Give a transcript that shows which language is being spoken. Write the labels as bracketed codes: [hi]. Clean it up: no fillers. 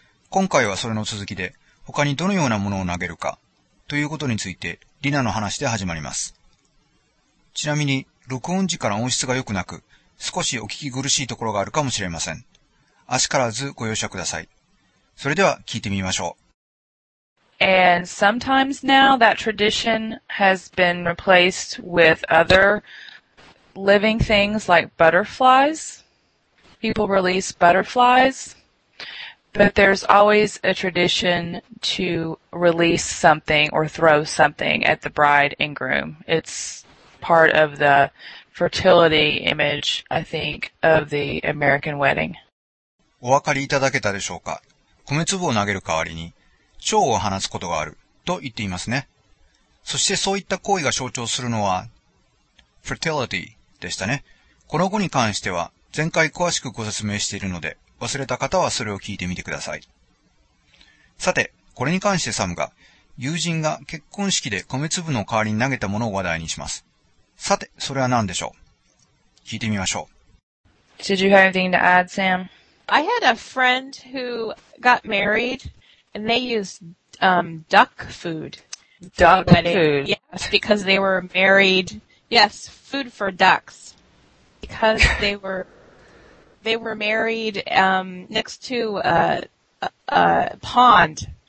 [ja] 今回はそれの続きで、他にどのようなものを投げるかということについてリナの話で始まります。ちなみに録音時から音質が良くなく、少しお聞き苦しいところがあるかもしれません。あしからずご容赦ください。それでは聞いてみましょう。 [en] And sometimes now that tradition has been replaced with other living things like butterflies. People release butterflies. But there's always a tradition to release something or throw something at the bride and groom. It's part of the fertility image, I think, of the American wedding. [ja] お分かりいただけたでしょうか。米粒を投げる代わりに蝶を放つことがあると言っていますね。そしてそういった行為が象徴するのは fertility でしたね。この語に関しては前回詳しくご説明しているので、忘れた方はそれを聞いてみてください。さて、これに関してサムが、友人が結婚式で米粒の代わりに投げたものを話題にします。さて、それは何でしょう。聞いてみましょう。 [en] Did you have anything to add, Sam? I had a friend who got married and they used duck food. Duck food? Yes, because they were married. Yes, food for ducks. Because they were married next to a pond.